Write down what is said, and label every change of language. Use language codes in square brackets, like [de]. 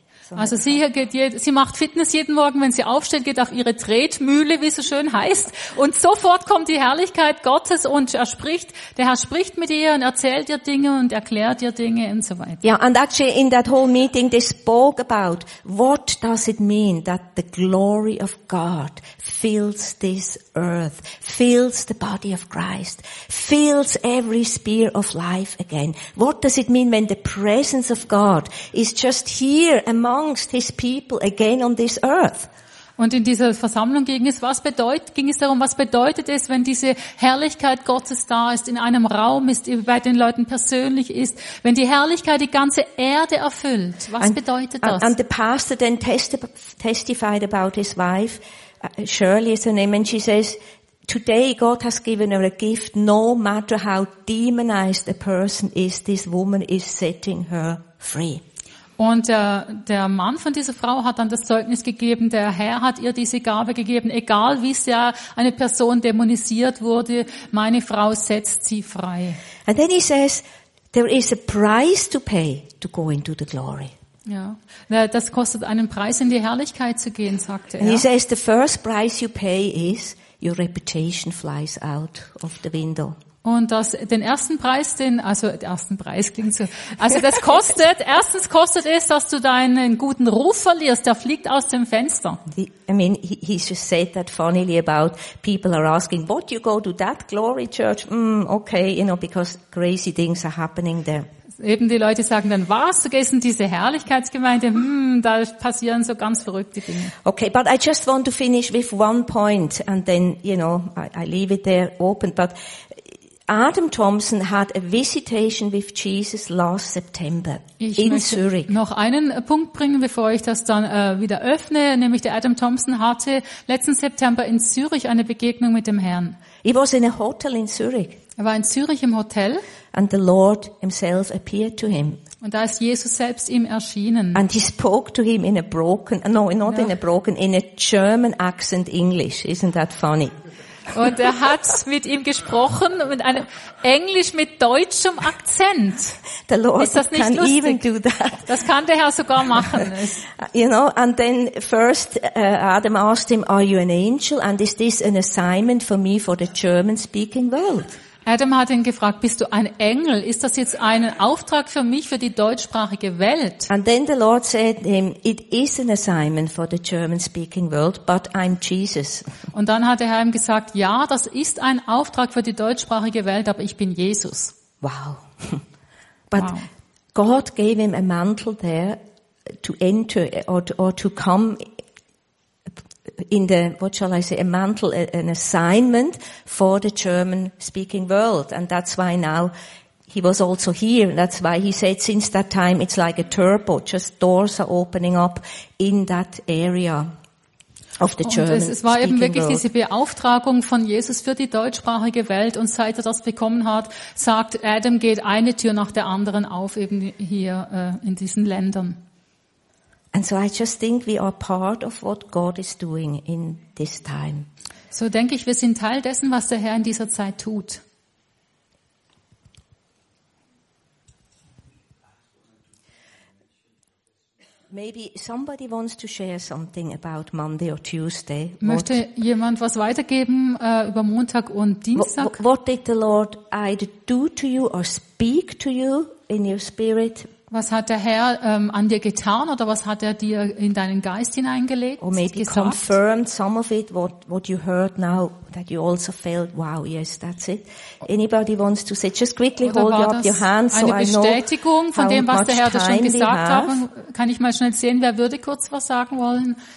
[de] Also sie macht Fitness jeden Morgen, wenn sie aufsteht, geht auf ihre Tretmühle, wie es so schön heißt. Und sofort kommt die Herrlichkeit Gottes und der Herr spricht mit ihr und erzählt ihr Dinge und erklärt ihr Dinge und so weiter. [en] Yeah, and actually in that whole meeting they spoke about what does it mean that the glory of God fills this earth, fills the body of Christ, fills every sphere of life again. What does it mean when the presence of God is just here amongst his people again on this earth? [de] Und in dieser Versammlung ging es darum, was bedeutet es, wenn diese Herrlichkeit Gottes da ist, in einem Raum ist, bei den Leuten persönlich ist, wenn die Herrlichkeit die ganze Erde erfüllt. Was bedeutet das? [en] And the pastor then testified about his wife. Shirley is her name, and she says, today God has given her a gift, no matter how demonized a person is, this woman is setting her free. [de] Und der Mann von dieser Frau hat dann das Zeugnis gegeben, der Herr hat ihr diese Gabe gegeben, egal wie sehr eine Person dämonisiert wurde, meine Frau setzt sie frei. [en] And then he says, there is a price to pay to go into the glory. [de] Ja, das kostet einen Preis, in die Herrlichkeit zu gehen, sagte er. [en] And he says the first price you pay is your reputation flies out of the window. [de] Und das, den ersten Preis, den, also der ersten Preis klingt so, also das kostet, erstens kostet es, dass du deinen guten Ruf verlierst, der fliegt aus dem Fenster. [en] I mean, he just said that funnily about people are asking, what you go to that glory church? Okay, you know, because crazy things are happening there. [de] Eben die Leute sagen dann, was, du gehst in diese Herrlichkeitsgemeinde, da passieren so ganz verrückte Dinge. [en] Okay, but I just want to finish with one point and then, you know, I leave it there open, but Adam Thompson had a visitation with Jesus last September in Zurich. [de] Noch einen Punkt bringen, bevor ich das dann wieder öffne, nämlich der Adam Thompson hatte letzten September in Zürich eine Begegnung mit dem Herrn. [en] He was in a hotel in Zurich. [de] Er war in Zürich im Hotel. [en] And the Lord himself appeared to him. [de] Und da ist Jesus selbst ihm erschienen. [en] And he spoke to him in a broken, in a German accent English. Isn't that funny? [de] Und er hat mit ihm gesprochen mit einem Englisch mit deutschem Akzent. [en] The Lord [de] ist das nicht [en] can [de] lustig? [en] Even do that. [de] Das kann der Herr sogar machen. [en] You know, and then first Adam asked him, "Are you an angel? And is this an assignment for me for the German-speaking world?" [de] Adam hat ihn gefragt, bist du ein Engel? Ist das jetzt ein Auftrag für mich, für die deutschsprachige Welt? [en] And then the Lord said him, it is an assignment for the German-speaking world, but I'm Jesus. [de] Und dann hat der Herr ihm gesagt, ja, das ist ein Auftrag für die deutschsprachige Welt, aber ich bin Jesus. Wow. [en] But God gave him a mantle there to enter or to come in the, what shall I say, a mantle, an assignment for the German-speaking world. And that's why now he was also here. That's why he said since that time it's like a turbo, just doors are opening up in that area of the German-speaking world. [de] Es war eben wirklich diese Beauftragung von Jesus für die deutschsprachige Welt. Und seit er das bekommen hat, sagt Adam, geht eine Tür nach der anderen auf, eben hier in diesen Ländern. [en] And so I just think we are part of what God is doing in this time. [de] So denke ich, wir sind Teil dessen, was der Herr in dieser Zeit tut. [en] Maybe somebody wants to share something about Monday or Tuesday. [de] Möchte jemand was weitergeben über Montag und Dienstag? [en] What did the Lord either do to you or speak to you in your spirit? [de] Was hat der Herr an dir getan oder was hat er dir in deinen Geist hineingelegt? [en] Or maybe [de] gesagt? [en] Confirmed some of it, what you heard now, that you also felt, wow, yes, that's it. Anybody wants to say, just quickly [de] oder [en] hold up your hand so I know. [de] Eine Bestätigung von dem, was der Herr da schon gesagt hat. Kann ich mal schnell sehen, wer würde kurz was sagen wollen?